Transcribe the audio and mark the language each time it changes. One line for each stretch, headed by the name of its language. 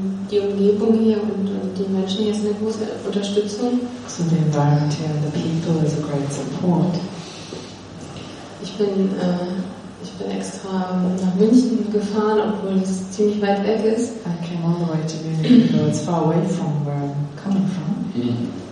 German: Die Umgebung hier und die Menschen hier sind eine große Unterstützung.
English: So the environment here, the people is a great support.
German: Ich bin extra nach München gefahren, obwohl es ziemlich weit weg ist.
English: I came all the way to Munich, though it's far away from where I'm coming from.